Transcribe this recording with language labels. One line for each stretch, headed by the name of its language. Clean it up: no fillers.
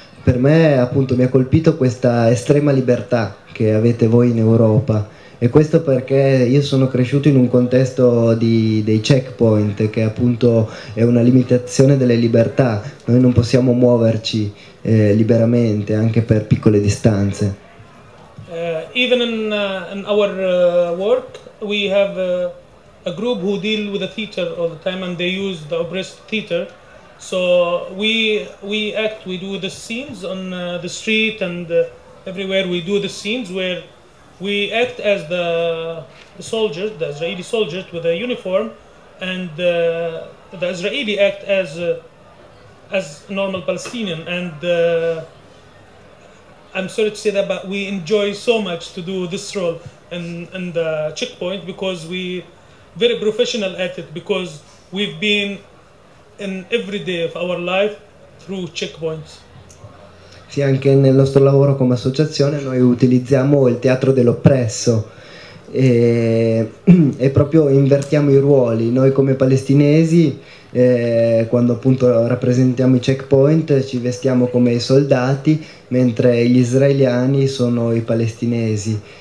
Italian: Per me appunto mi ha colpito questa estrema libertà che avete voi in Europa. E questo perché io sono cresciuto in un contesto dei checkpoint, che appunto è una limitazione delle libertà. Noi non possiamo muoverci liberamente anche per piccole distanze.
English: Even in our work we have a group who deal with the theater all the time, and they use the oppressed theater. So we do the scenes on the street and everywhere. We do the scenes where we act as the soldiers, the Israeli soldiers with a uniform, and the Israeli act as normal Palestinian. And I'm sorry to say that, but we enjoy so much to do this role in the checkpoint, because we very professional at it, because we've been in every day of our life through checkpoints.
Italian: Sì, anche nel nostro lavoro come associazione noi utilizziamo il teatro dell'oppresso e proprio invertiamo i ruoli. Noi come palestinesi, quando appunto rappresentiamo i checkpoint, ci vestiamo come i soldati, mentre gli israeliani sono i palestinesi.